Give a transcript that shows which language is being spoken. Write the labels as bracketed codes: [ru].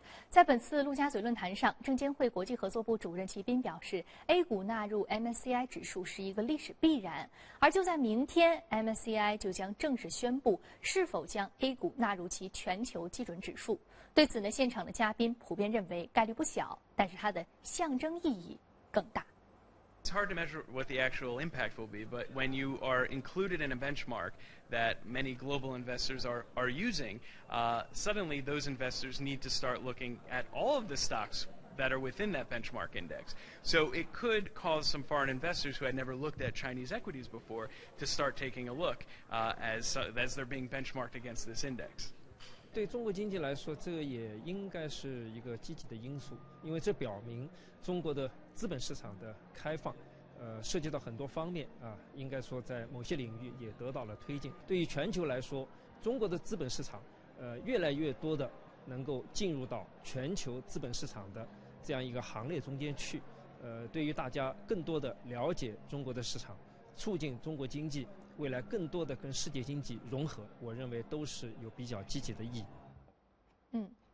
[zh] 在本次陆家嘴论坛上，证监会国际合作部主任齐斌表示， A 股纳入 MSCI 指数是一个历史必然，而就在明天， MSCI 就将正式宣布是否将 A 股纳入其全球基准指数。对此呢，现场的嘉宾普遍认为概率不小，但是它的象征意义更大。 [en] It's hard to measure what the actual impact will be, but when you are included in a benchmark that many global investors are using, suddenly those investors need to start looking at all of the stocks that are within that benchmark index. So it could cause some foreign investors who had never looked at Chinese equities before to start taking a look as they're being benchmarked against this index. [zh] 对中国经济来说，这个也应该是一个积极的因素，因为这表明中国的资本市场的开放，涉及到很多方面啊，应该说在某些领域也得到了推进。对于全球来说，中国的资本市场，越来越多的能够进入到全球资本市场的这样一个行列中间去，对于大家更多的了解中国的市场，促进中国经济未来更多的跟世界经济融合，我认为都是有比较积极的意义。